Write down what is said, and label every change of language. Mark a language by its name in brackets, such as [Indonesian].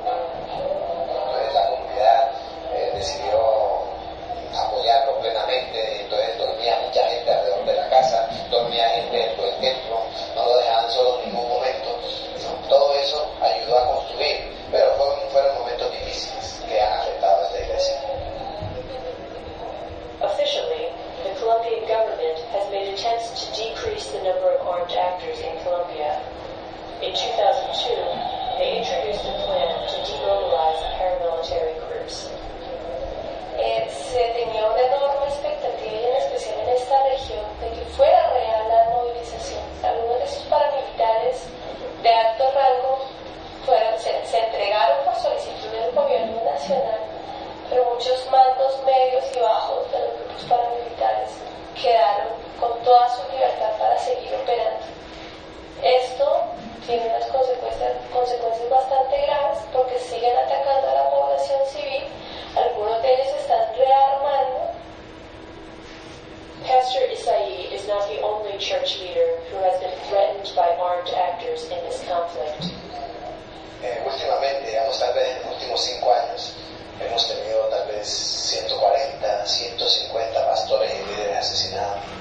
[Spanish] Entonces la comunidad decidió apoyarlo plenamente. Entonces dormía mucha gente alrededor de la casa, dormía gente dentro del templo, no lo dejaban solo en ningún momento. Todo eso ayudó a construir, pero fueron momentos difíciles que han afectado a esta iglesia. [English] Officially, the Colombian government has made attempts to decrease the number of armed actors in Colombia. In 2002, they introduced a plan to demobilize paramilitary groups. [Spanish] Se tenía una enorme expectativa, y en especial en esta región, de que fuera real la movilización. Algunos de esos paramilitares de alto rango se entregaron por solicitud del gobierno nacional, pero muchos mandos medios y bajos de los grupos paramilitares quedaron con toda su libertad para seguir operando. Esto tiene unas consecuencias bastante graves porque siguen atacando a la población civil. Algunos de ellos están rearmando. [English] Pastor Isai is not the only church leader who has been threatened by armed actors in this conflict. [Spanish] Últimamente, digamos, tal vez en los últimos 5 años, hemos tenido tal vez 140, 150 pastores y líderes asesinados.